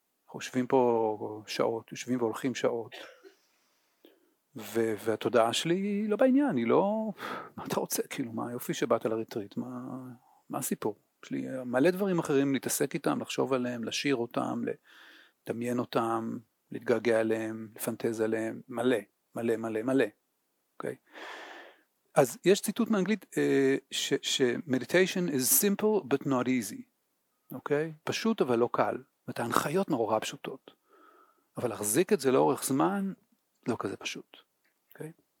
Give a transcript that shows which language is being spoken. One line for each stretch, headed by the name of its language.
Hebrew: חושבים פה שעות, יושבים והולכים שעות. והתודעה שלי היא לא בעניין, אני לא, מה אתה רוצה? כאילו, מה היופי שבאת לריטריט? מה הסיפור? יש לי מלא דברים אחרים, להתעסק איתם, לחשוב עליהם, לשיר אותם, לדמיין אותם, להתגעגע עליהם, לפנטז עליהם, מלא, מלא, מלא, מלא. אוקיי. אז יש ציטוט מאנגלית
English: meditation is simple but not easy.
Hebrew: אוקיי? פשוט אבל לא קל. ואת ההנחיות נורא פשוטות. אבל להחזיק את זה לאורך זמן, לא כזה פשוט. אוקיי?